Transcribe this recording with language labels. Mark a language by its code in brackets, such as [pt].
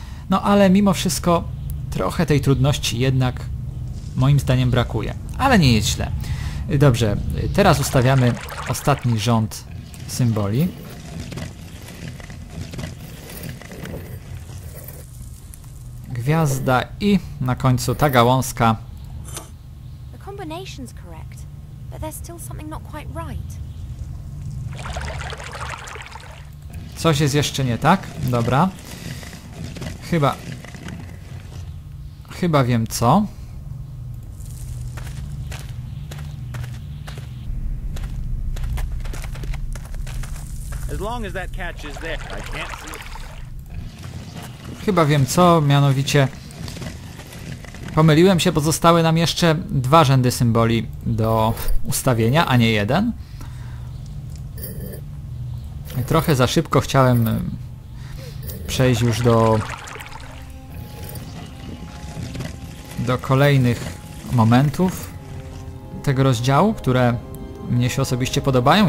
[pl] No ale mimo wszystko trochę tej trudności jednak moim zdaniem brakuje. Ale nie jest źle. Dobrze, teraz ustawiamy ostatni rząd symboli. Gwiazda i na końcu ta gałązka. [en] The combination's correct, but there's still something not quite right. [pl] Coś jest jeszcze nie tak? Dobra. Chyba wiem co. [en] As long as that catch is there, I can't see. [pl] Chyba wiem co, mianowicie pomyliłem się, pozostały nam jeszcze dwa rzędy symboli do ustawienia, a nie jeden. Trochę za szybko chciałem przejść już do kolejnych momentów tego rozdziału, które mnie się osobiście podobają.